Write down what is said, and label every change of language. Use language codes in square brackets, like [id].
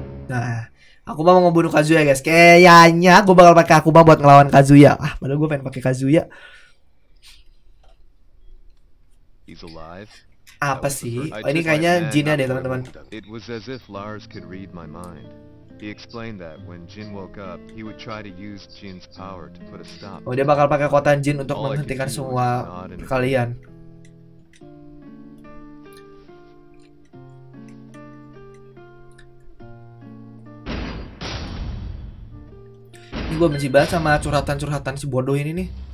[id] Nah, Akuma mau ngebunuh Kazuya, guys. Kayaknya gue bakal pakai Akuma buat ngelawan Kazuya. Ah, padahal gue pengen pakai Kazuya. [en] He's alive. [id] apa sih? Oh, ini kayaknya jinnya deh, teman-teman. [en] It was as if Lars could read my mind. He explained that when Jin woke up, he would try to use Jin's power to put a stop. [id] Oh, dia bakal pakai kekuatan Jin untuk menghentikan semua kalian. Ini gue benci banget sama curhatan-curhatan si bodoh ini nih.